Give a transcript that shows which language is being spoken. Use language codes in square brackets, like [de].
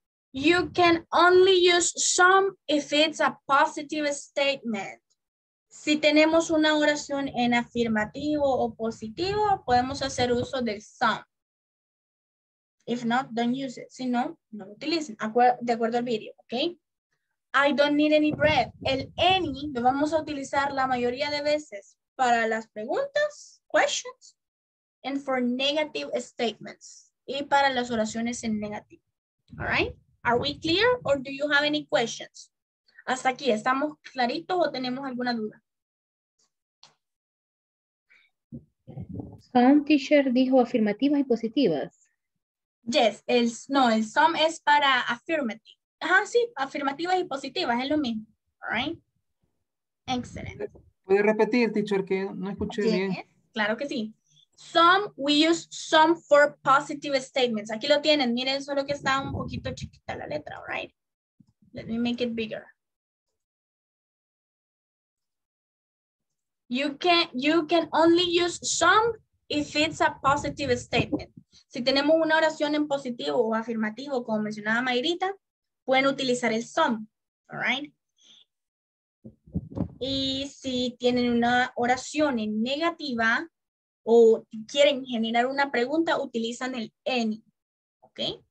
[en] You can only use some if it's a positive statement. [es] Si tenemos una oración en afirmativo o positivo, podemos hacer uso del some. [en] If not, don't use it. [es] Si no, no lo utilicen. De acuerdo al video, ¿ok? [en] I don't need any bread. [es] El any lo vamos a utilizar la mayoría de veces para las preguntas, [en] questions, and for negative statements. [es] Y para las oraciones en negativo. All right? [en] Are we clear or do you have any questions? [es] Hasta aquí, ¿estamos claritos o tenemos alguna duda? Some teacher dijo afirmativas y positivas. Yes, el some es para affirmative. Ajá, sí, afirmativas y positivas, es lo mismo. [en] All right. Excellent. [es] ¿Puede repetir, teacher, que no escuché bien? Claro que sí. [en] Some, we use some for positive statements. [es] Aquí lo tienen, miren, solo que está un poquito chiquita la letra, all right? [en] Let me make it bigger. You can only use some if it's a positive statement. [es] Si tenemos una oración en positivo o afirmativo, como mencionaba Mayrita, pueden utilizar el some, all right? Y si tienen una oración en negativa o quieren generar una pregunta, utilizan el any, ¿ok?